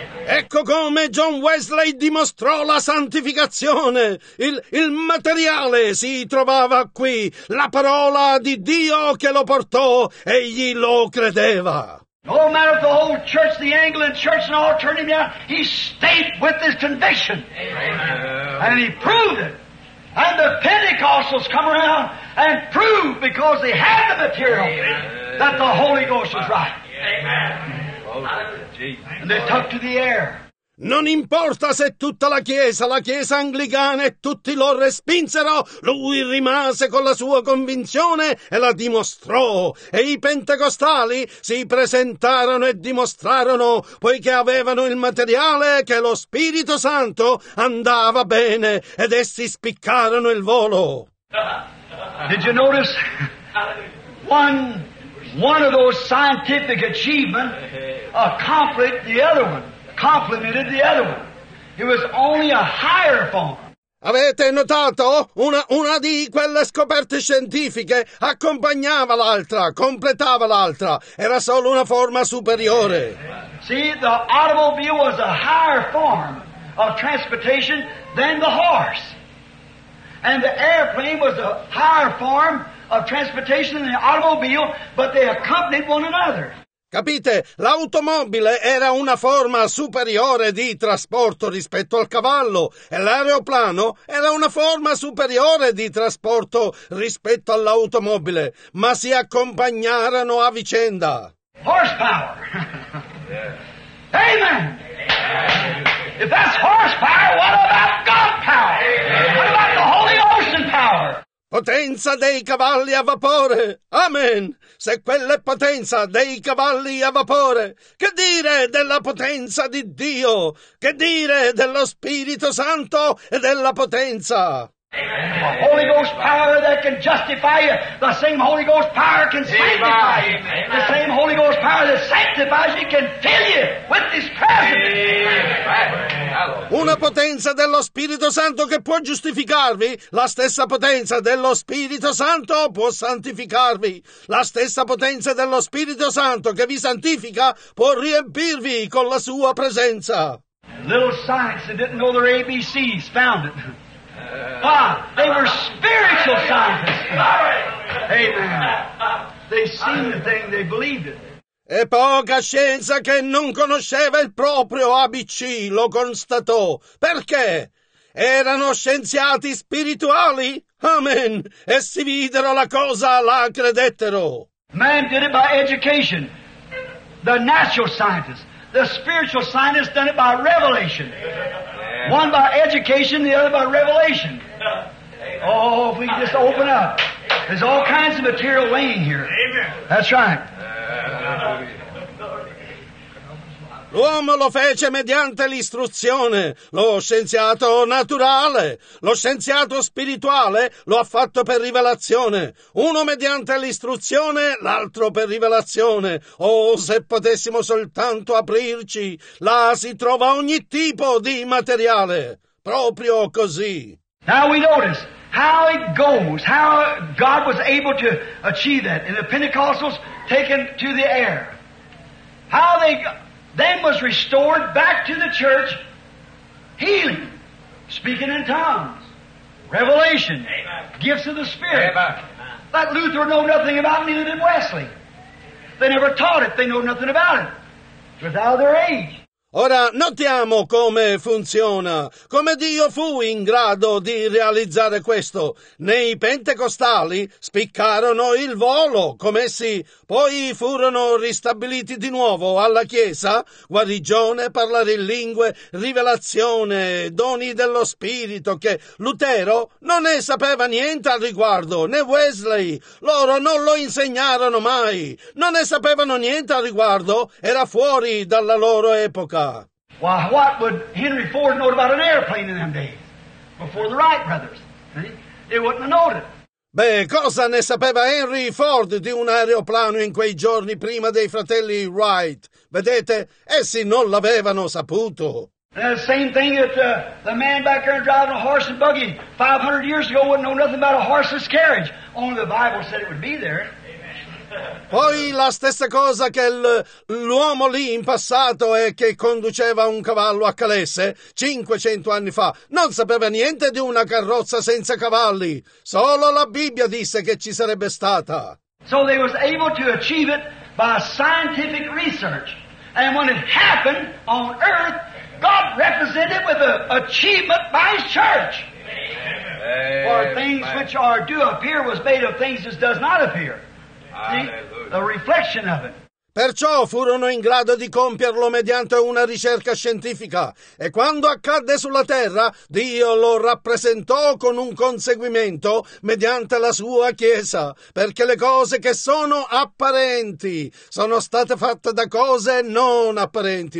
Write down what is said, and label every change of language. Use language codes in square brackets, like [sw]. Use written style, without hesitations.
[it] Ecco come John Wesley dimostrò la santificazione. Il materiale si trovava qui, la parola di Dio che lo portò, egli lo credeva. [en] No matter if the whole church, the Anglican church and all turned him out, he stayed with his conviction. Amen. And he proved it. And the Pentecostals come around and proved, because they had the material, Amen. That the Holy Ghost was right. Amen. And they took to the air. [it] Non importa se tutta la Chiesa anglicana e tutti lo respinsero, lui rimase con la sua convinzione e la dimostrò. E i pentecostali si presentarono e dimostrarono, poiché avevano il materiale, che lo Spirito Santo andava bene ed essi spiccarono il volo. [en] Did you notice one of those scientific achievements accomplished the other one? Complimented the other one. It was only a higher form. [it] Avete notato? Una di quelle scoperte scientifiche accompagnava l'altra, completava l'altra. Era solo una forma superiore. [en] See, the automobile was a higher form of transportation than the horse. And the airplane was a higher form of transportation than the automobile, but they accompanied one another. [it] Capite? L'automobile era una forma superiore di trasporto rispetto al cavallo e l'aeroplano era una forma superiore di trasporto rispetto all'automobile, ma si accompagnarono a vicenda. [en] Horsepower! Yeah. Amen! If that's horsepower, what about God power? What about the Holy Ocean power? [it] Potenza dei cavalli a vapore. Amen. Se quella è potenza dei cavalli a vapore, che dire della potenza di Dio? Che dire dello Spirito Santo e della potenza? [en] The Holy Ghost power that can justify you, the same Holy Ghost power can sanctify you. The same Holy Ghost power that sanctifies you can fill you with His presence. [it] Una potenza dello Spirito Santo che può giustificarvi, la stessa potenza dello Spirito Santo può santificarvi. La stessa potenza dello Spirito Santo che vi santifica può riempirvi con la sua presenza. [en] Little science that didn't know their ABCs found it. Ah, they were spiritual scientists. Amen. They seen the thing, they believed it. [it] E poca scienza che non conosceva il proprio ABC lo constatò. Perché? Erano scienziati spirituali? Amen. E si videro la cosa, la credettero. [en] Man did it by education. The natural scientist. The spiritual scientist done it by revelation. One by education, the other by revelation. Oh, if we just open up. There's all kinds of material laying here. That's right. [it] L'uomo lo fece mediante l'istruzione, lo scienziato naturale, lo scienziato spirituale lo ha fatto per rivelazione, uno mediante l'istruzione, l'altro per rivelazione. Oh, se potessimo soltanto aprirci, là si trova ogni tipo di materiale, proprio così. [en] Now we notice how it goes, how God was able to achieve that in the Pentecostals taken to the air. How they then was restored back to the church, healing, speaking in tongues, revelation, Amen. Gifts of the Spirit. Amen. That Luther know nothing about, neither did Wesley. They never taught it, they know nothing about it. It was out of their age. [it] Ora, notiamo come funziona, come Dio fu in grado di realizzare questo. Nei pentecostali spiccarono il volo, come essi poi furono ristabiliti di nuovo alla Chiesa, guarigione, parlare in lingue, rivelazione, doni dello Spirito, che Lutero non ne sapeva niente al riguardo, né Wesley, loro non lo insegnarono mai, non ne sapevano niente al riguardo, era fuori dalla loro epoca. [en] Why, what would Henry Ford know about an airplane in them days? Before the Wright brothers. They wouldn't have known it. [it] Beh, cosa ne sapeva Henry Ford di un aeroplano in quei giorni prima dei fratelli Wright? Vedete, essi non l'avevano saputo. [en] The same thing that the man back there driving a horse and buggy 500 years ago wouldn't know nothing about a horse's carriage. Only the Bible said it would be there. [it] Poi la stessa cosa che l'uomo lì in passato e che conduceva un cavallo a calesse 500 anni fa non sapeva niente di una carrozza senza cavalli. Solo la Bibbia disse che ci sarebbe stata. [en] So they was able to achieve it by scientific research. And when it happened on earth, God represented with an achievement by His church. Amen. For things which are do appear was made of things that does not appear. See, the reflection of it. [it] Perciò furono in grado di compierlo mediante una ricerca scientifica. E quando accadde sulla terra, Dio lo rappresentò con un conseguimento mediante la sua Chiesa, perché le cose che sono apparenti sono state fatte da cose non apparenti.